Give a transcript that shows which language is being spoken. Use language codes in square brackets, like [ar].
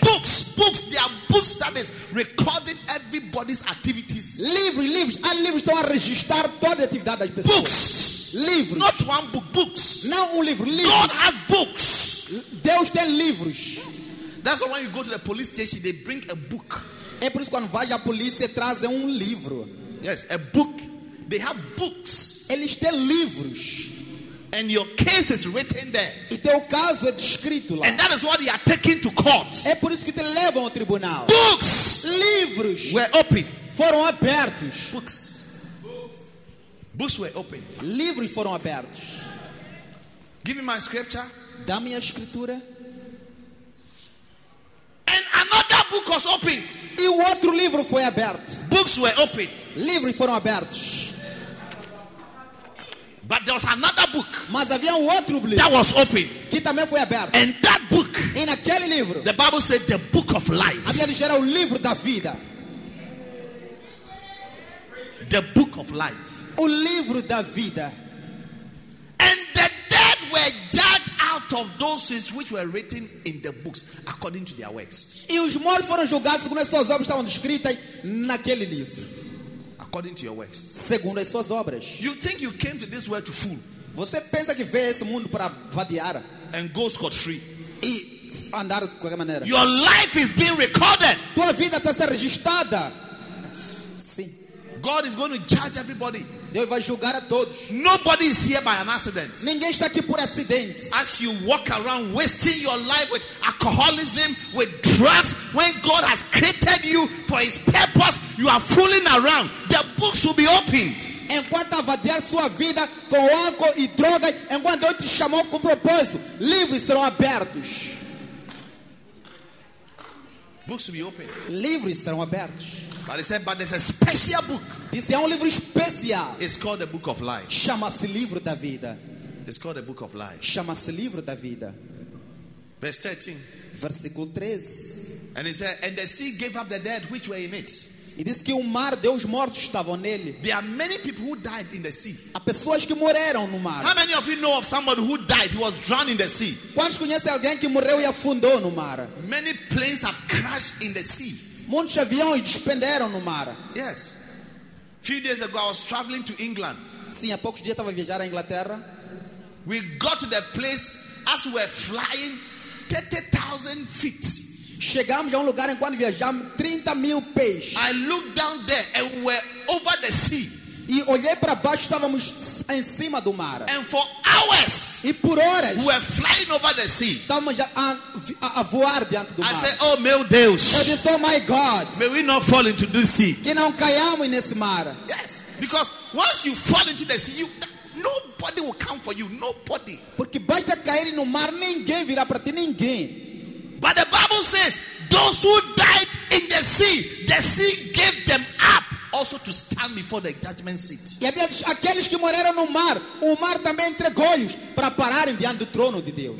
[en] Books, books, there are books that is recording everybody's activities. [pt] Livros, livros, há livros que estão a registrar toda a atividade das pessoas. [en] Books, [pt] livros. [en] Not one book, books. [pt] Não um livro, livros. [en] God has books. [pt] Deus tem livros. [en] That's why when you go to the police station, they bring a book. [pt] É por isso que quando vai à polícia traz um livro. [en] Yes, a book. They have books. [pt] Eles têm livros. [en] And your case is written there. [pt] E teu caso é descrito lá. [en] And that is what they are taking to court. [pt] É por isso que te levam ao tribunal. [en] Books. [pt] Livros. [en] Were open. [pt] Foram abertos. [en] Books. Books were opened. [pt] Livros foram abertos. [en] Give me my scripture. [pt] Dá-me a escritura. [en] And another book was opened. [pt] E o outro livro foi aberto. [en] Books were opened. [pt] Livros foram abertos. [en] But there was another book. [pt] Mas havia um outro livro. [en] That was opened. [pt] Que também foi aberto. [en] And that book. [pt] E naquele livro. [en] The Bible said the book of life. [pt] A Bíblia diz era o livro da vida. [en] The book of life. [pt] O livro da vida. [en] And the dead were judged out of those which were written in the books according to their works. [pt] E os mortos foram julgados segundo as suas obras estavam escritas naquele livro. [en] According to your works. [pt] Segundo as suas obras. [en] You think you came to this world to fool? [pt] Você pensa que veio a esse mundo para vadiar? [en] And go scot free. [pt] E andar de qualquer maneira. [en] Your life is being recorded. [pt] Tua vida está sendo registrada. [en] Yes. [pt] Sim. [en] God is going to judge everybody. [pt] Deus vai julgar a todos. [en] Nobody is here by an accident. [pt] Ninguém está aqui por acidente. [en] As you walk around wasting your life with alcoholism, with drugs, when God has created you for His purpose, you are fooling around. The books will be opened. [pt] Enquanto avadear sua vida com álcool e droga, enquanto Deus te chamou com propósito, livros serão abertos. [en] Books will be opened. [pt] Livros serão abertos. [en] But he said, but there's a special book. [pt] Isso é um livro especial. [en] It's called the book of life. [pt] Chama-se livro da vida. [en] It's called the book of life. [pt] Chama-se livro da vida. [en] Verse 13. [pt] Versículo 13. [en] And he said, and the sea gave up the dead which were in it. [pt] E diz que o mar deu os mortos estavam nele. [en] There are many people who died in the sea. [pt] Há pessoas que morreram no mar. [en] How many of you know of someone who died? He was drowned in the sea. [pt] Quantos conhecem alguém que morreu e afundou no mar? [en] Many planes have crashed in the sea. [pt] Muitos aviões despenderam no mar. [en] Yes. Few days ago I was traveling to England. [pt] Sim, há poucos dias estava a viajar à Inglaterra. [en] We got to the place as we were flying 30,000 feet. [pt] Chegamos a lugar enquanto viajamos 30 mil pés. [en] I looked down there and we were over the sea. [pt] E olhei para baixo, estávamos em cima do mar. [en] And for hours, [pt] e por horas, [en] we were flying over the sea. [pt] Estávamos a voar diante do mar. [en] I said, [pt] oh meu Deus. Eu disse, [en] oh my God. May we not fall into the sea. [pt] Que não caiamos nesse mar. [en] Yes. Because once you fall into the sea, nobody will come for you. Nobody. [pt] Porque basta cair no mar, ninguém virá para ti, ninguém. [en] But the Bible says, those who died in the sea gave them up also to stand before the judgment seat. [pt] E havia aqueles que morreram no mar, o mar também entregou-os para pararem diante do trono de Deus.